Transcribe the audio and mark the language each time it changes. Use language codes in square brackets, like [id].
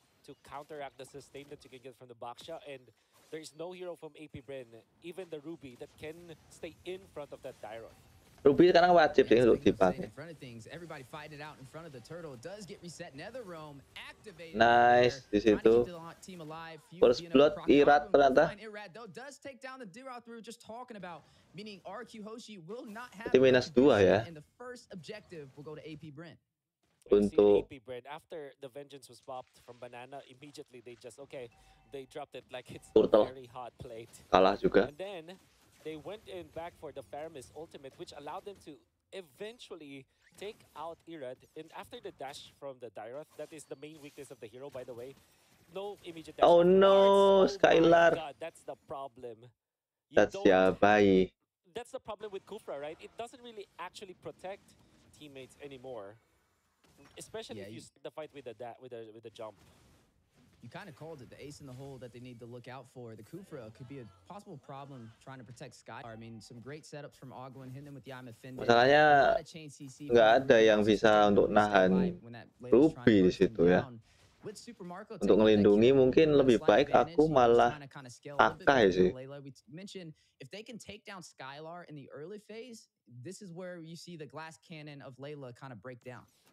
[en] To counteract the sustain that you can get from the Baksha, and there is no hero from AP Bren, even the Ruby, that can stay in front of that Dairon. [id] Ruby sekarang wajib sih untuk dipakai. [en] Everybody fight it out in front of the turtle. Does get reset. Netherrealm activated. Nice [id] di situ. [en] First blood Irat ternyata. Does take down the Dirath we were just talking about, meaning RQ Hoshi will not have minus 2 ya. And the first objective will go to AP Bren. Untuk AP Bren after the vengeance was popped from banana immediately they just okay they dropped it like it's a very hot plate. [id] Kalah juga. [en] And then they went in back for the Faramis ultimate which allowed them to eventually take out Irad, and after the dash from the Dairoth, that is the main weakness of the hero by the way, no immediate dash. Oh no, Skylar, that's the problem. That's ya bayi. That's the problem with Kufra, right? It doesn't really actually protect teammates anymore. Especially yeah, if you start the fight with the jump. You kind of called it the ace in the hole that they need to look out for. The Kufra could be a possible problem trying to protect Sky. I mean, some great setups from Ogwin, hit them with the I'm offended. [id] Masalahnya nggak ada yang bisa untuk nahan Ruby di situ ya. Untuk melindungi mungkin lebih baik aku malah akai sih. [en] If they can take down Skylar in the early phase, this is where you see the glass cannon of Layla kind of break down.